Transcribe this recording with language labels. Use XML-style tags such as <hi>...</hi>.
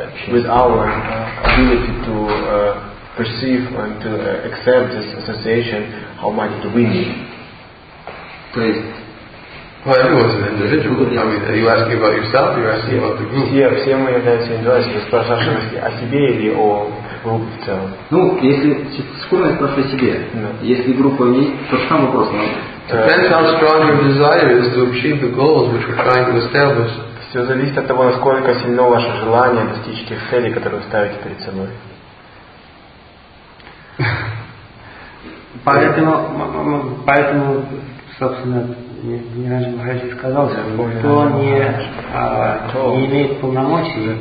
<en>With our ability to perceive and to accept this association, how much do we need? Well, everyone's an individual. I mean, are you asking about yourself or are you asking about the group?</en> <ru>Все мы являемся индивидуальностью. О себе или о группе в целом? Ну, если скромно спрошу о себе. Если группа есть, то же самый вопрос.</ru> <en>Depends how strong your desire is to achieve the goals which we're trying to establish.</en> <ru>Все зависит от того, насколько сильно ваше желание достичь тех целей, которые вы ставите перед собой. Поэтому, собственно, Нираджа Махараджи сказал, что кто не имеет полномочий,</ru>